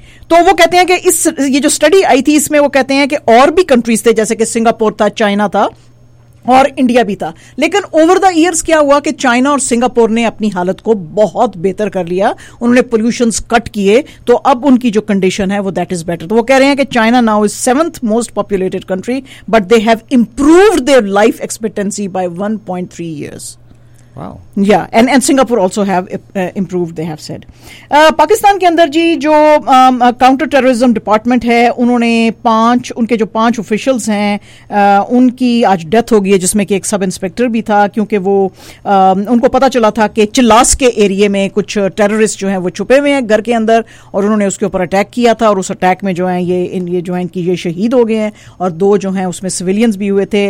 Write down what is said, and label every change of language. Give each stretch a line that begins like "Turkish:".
Hindi: तो वो कहते हैं कि इस ये जो स्टडी आई थी इसमें वो कहते हैं कि और भी कंट्रीज थे जैसे कि सिंगापुर था, चाइना था और इंडिया भी था, लेकिन
English: over the years
Hindi: क्या हुआ कि चाइना और सिंगापुर ने अपनी हालत को बहुत बेहतर कर लिया, उन्होंने पोल्यूशन कट किए, तो अब उनकी जो कंडीशन है वो
English: That is better.
Hindi: तो वो कह रहे हैं कि
English: China now is seventh most populated country but they have improved their life expectancy by 1.3 years. Wow. Yeah, and Singapore also have improved, they have said.
Hindi: Pakistan के अंदर जी जो काउंटर टेररिज्म डिपार्टमेंट है उन्होंने उनके जो पांच ऑफिशियल्स हैं उनकी आज डेथ हो गई है, जिसमें कि एक सब इंस्पेक्टर भी था, क्योंकि वो उनको पता चला था कि चिलास के एरिया में कुछ टेररिस्ट जो हैं वो छुपे हुए हैं घर के अंदर और उन्होंने उसके ऊपर अटैक किया था और उस अटैक में जो है ये जो है इनकी ये शहीद हो गए हैं और दो जो हैं उसमें सिविलियंस भी हुए थे.